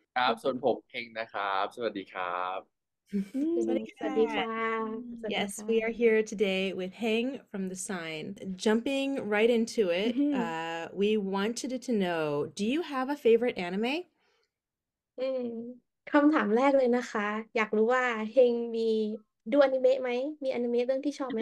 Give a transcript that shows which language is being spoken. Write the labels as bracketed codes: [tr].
[th] ครับส่วนผมเฮงนะครับสวัสดีครับ สวัสดีค่ะสวัสดีค่ะ [en] Yes, we are here today with Heng from The Sign. Jumping right into it, we wanted to know, do you have a favorite anime? [th] คำถามแรกเลยนะคะอยากรู้ว่าเฮงมีดูอนิเมะไหมมีอนิเมะเรื่องที่ชอบไหม